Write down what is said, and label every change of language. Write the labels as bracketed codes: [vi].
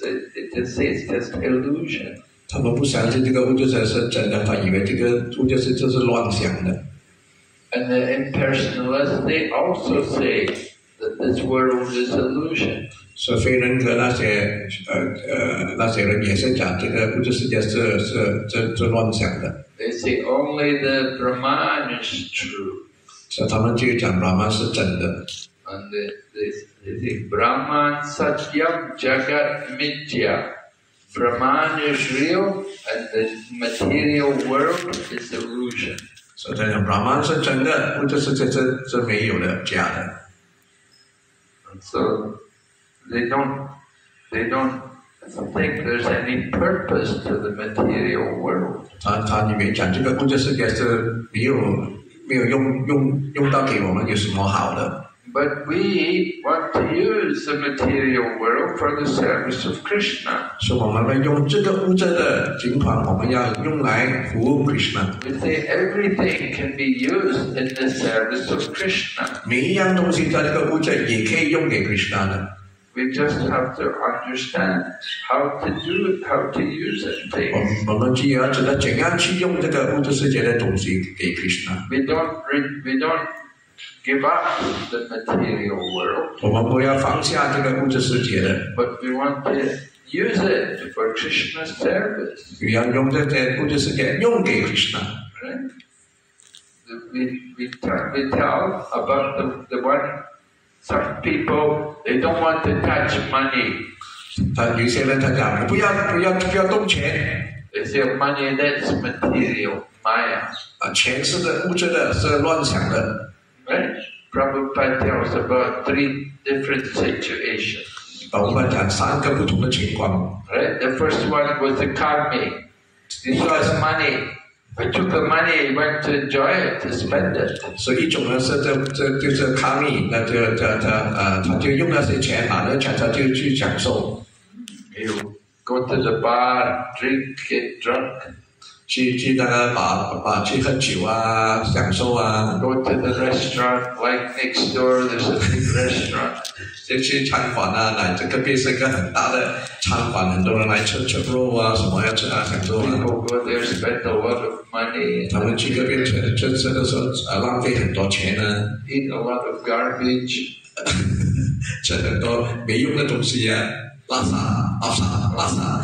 [en] They just say it's just illusion. [zh] 他们不相信这个物质世界是真的，他以为这个物质世界是乱想的。 [en] And the impersonalists, they also say that this world is illusion. [zh] 所以非人格那些人也是讲这个物质世界是乱想的。 [en] They say only the Brahman is true. [zh] 所以他们就讲 Brahman 是真的。 [en] And they say [sa] Brahman satyam jagat mitya. [en] Brahman is real and the material world is illusion. [zh] 所以他讲 Brahman 是真的，物质世界是没有的，假的。 [en] So,They don't think there's any purpose to the material world. [zh] 他里面讲这个物质世界是没有用到给我们有什么好的。 [en] But we want to use the material world for the service of Krishna. [zh] 是我们用这个物质的情况，我们要用来服务 Krishna. [en] We say everything can be used in the service of Krishna. [zh] 每一样东西在这个物质也可以用给 Krishna 的。 [en] We just have to understand how to do it, how to use it. [zh] We 只要知道怎样去用这个物质世界的东西给 Krishna. [en] We don't give up the material world. [zh] 我们不要放下这个物质世界的。 [en] But we want to use it for Krishna's service. [zh] 我们要用这个物质世界用给 Krishna. [en] Right? We tell about the one. Some people they don't want to touch money. [zh] 他有些人他讲不要动钱。 [en] They say money that's material, Maya. [zh] 啊，钱是的，物质的，是乱想的。 [en] Right? Prabhupada tells about three different situations. [zh] 把我们讲三个不同的情况。 [en] Right? The first one was the karmi. He saw his money. I took the money and went to enjoy it, to spend it. [zh] So, 一种呢是这就是 Kami, 那就他就用那些钱，把那钱他就去享受。 [en] You go to the bar, drink, get drunk. [zh] 去那个 bar 去喝酒啊，享受啊。 [en] Go to the restaurant, like next door, there's a big restaurant. [zh] 就去餐馆啊，来这个边是一个很大的餐馆，很多人来吃肉啊，什么要吃啊，享受啊。 [en] People go there, spend a lot of money. [zh] 他们去那边吃的时候，浪费很多钱呢。 [en] Eat a lot of garbage. [zh] 吃很多没用的东西啊，垃圾，垃圾，垃圾。